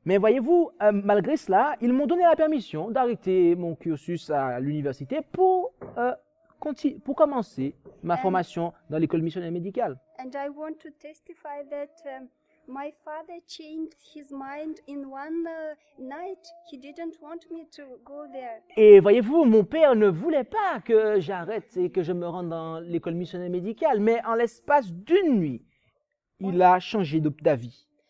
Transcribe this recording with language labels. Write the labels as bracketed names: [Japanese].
[French] Mais voyez-vous, malgré cela, ils m'ont donné la permission d'arrêter mon cursus à l'université pour commencer ma formation dans l'école missionnaire médicale. [English] And I want to testify that my father changed his mind in one night. He didn't want me to go there. [French] Et voyez-vous, mon père ne voulait pas que j'arrête et que je me rende dans l'école missionnaire médicale, mais en l'espace d'une nuit, il a changé d'avis.